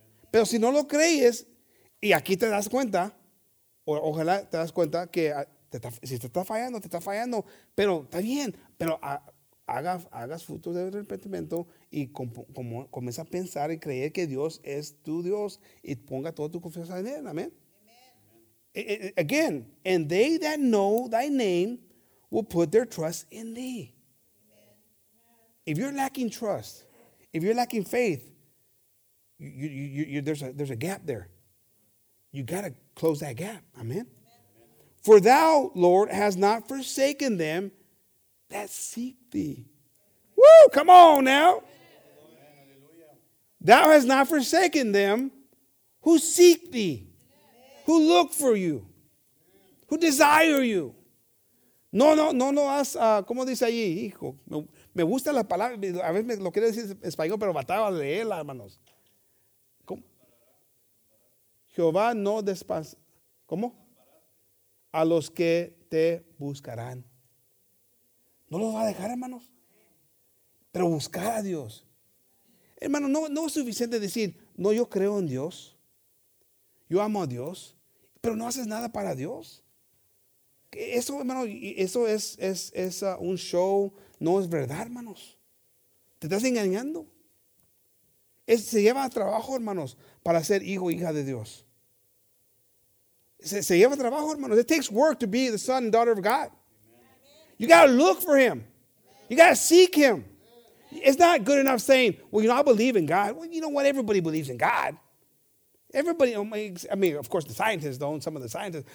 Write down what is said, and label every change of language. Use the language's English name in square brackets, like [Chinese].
[Spanish] Pero si no lo crees, y aquí te das cuenta, ojalá te das cuenta que te está fallando, pero está bien, pero hagas frutos de arrepentimiento y comienza a pensar y creer que Dios es tu Dios y ponga toda tu confianza en Él. Amén. [English] Again, and they that know thy name will put their trust in thee. If you're lacking trust, if you're lacking faith, there's a gap there. You got to close that gap. Amen? Amen. For thou, Lord, has not forsaken them that seek thee. Woo, come on now. Amen. Thou has not forsaken them who seek thee, who look for you, who desire you. [Spanish] No has, ¿cómo dice allí, hijo? Me gusta la palabra, a veces lo quiero decir en español, pero bataba de él, hermanos. ¿Cómo? Jehová no despacha. ¿Cómo? A los que te buscarán. ¿No los va a dejar, hermanos? Pero buscar a Dios. Hermano, no es suficiente decir, no, yo creo en Dios. Yo amo a Dios. Pero no haces nada para Dios. Eso, hermano, eso es un show. No es verdad, hermanos. Te estás engañando. Se lleva trabajo, hermanos, para ser hijo o hija de Dios. Se lleva trabajo, hermanos. [English] It takes work to be the son and daughter of God. Amen. You got to look for him. Amen. You got to seek him. Amen. It's not good enough saying, well, you know, I believe in God. Well, you know what? Everybody believes in God. Everybody, I mean, of course, the scientists don't, some of the scientists.